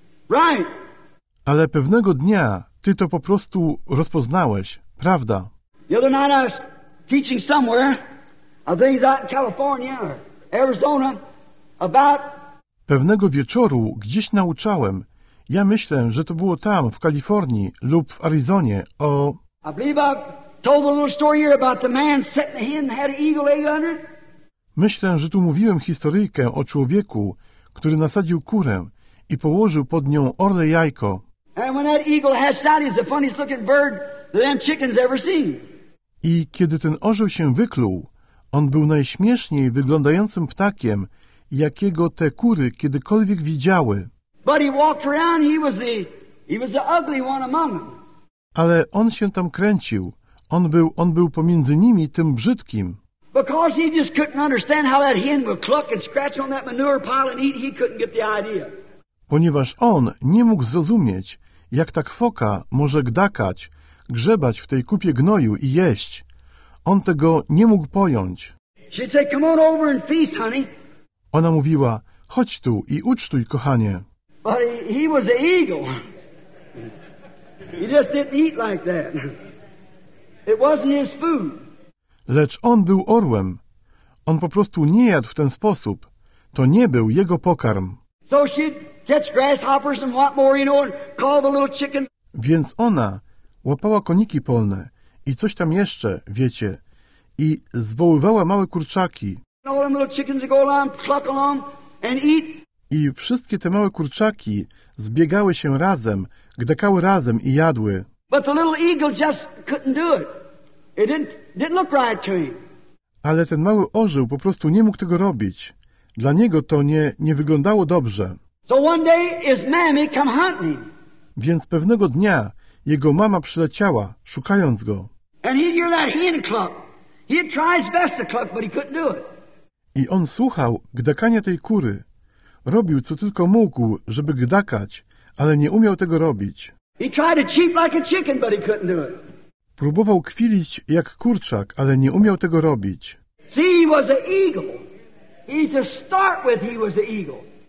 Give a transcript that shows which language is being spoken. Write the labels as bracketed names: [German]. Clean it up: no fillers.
[English] Right. [Polish] Ale pewnego dnia ty to po prostu rozpoznałeś, prawda? [English] The other night I was teaching somewhere, I think out in California or Arizona, about... [Polish] Pewnego wieczoru gdzieś nauczałem, ja myślę, że to było tam, w Kalifornii lub w Arizonie, o... [English] I believe I told a little story here about the man setting a hen and had an eagle egg under it. [Polish] Myślę, że tu mówiłem historyjkę o człowieku, który nasadził kurę i położył pod nią orle jajko. [English] And when that eagle hatched out, he's the funniest looking bird that them chickens ever seen. [Polish] I kiedy ten orzeł się wykluł, on był najśmieszniej wyglądającym ptakiem, jakiego te kury kiedykolwiek widziały. [English] But he walked around, he was the ugly one among them. [Polish] Ale on się tam kręcił. On był pomiędzy nimi tym brzydkim. [English] Because he just couldn't understand how that hen would cluck and scratch on that manure pile and eat, he couldn't get the idea. [Polish] Ponieważ on nie mógł zrozumieć, jak ta kwoka może gdakać, grzebać w tej kupie gnoju i jeść. On tego nie mógł pojąć. [English] She'd say, come on over and feast, honey. [Polish] Ona mówiła, chodź tu i ucztuj, kochanie. [English] But he was an eagle. He just didn't eat like that. It wasn't his food. [Polish] Lecz on był orłem. On po prostu nie jadł w ten sposób. To nie był jego pokarm. [English] So she'd catch grasshoppers and what more, you know, and call the little chickens. [Polish] Więc ona łapała koniki polne i coś tam jeszcze, wiecie, i zwoływała małe kurczaki. [English] All them little chickens go along, cluck along and eat. [Polish] I wszystkie te małe kurczaki zbiegały się razem, gdakały razem i jadły. [English] But the little eagle just couldn't do it. It didn't look right to him. [Polish] Ale ten mały orzeł po prostu nie mógł tego robić. Dla niego to nie wyglądało dobrze. [English] So one day his mammy come hunting. [Polish] Więc pewnego dnia jego mama przyleciała, szukając go. [English] And he'd hear that hen cluck. He'd try his best to cluck, but he couldn't do it. [Polish] I on słuchał gdakania tej kury. Robił, co tylko mógł, żeby gdakać, ale nie umiał tego robić. [English] He tried to cheep like a chicken, but he couldn't do it. [Polish] Próbował kwilić jak kurczak, ale nie umiał tego robić. [English] See, he was an eagle. He to start with, he was an eagle.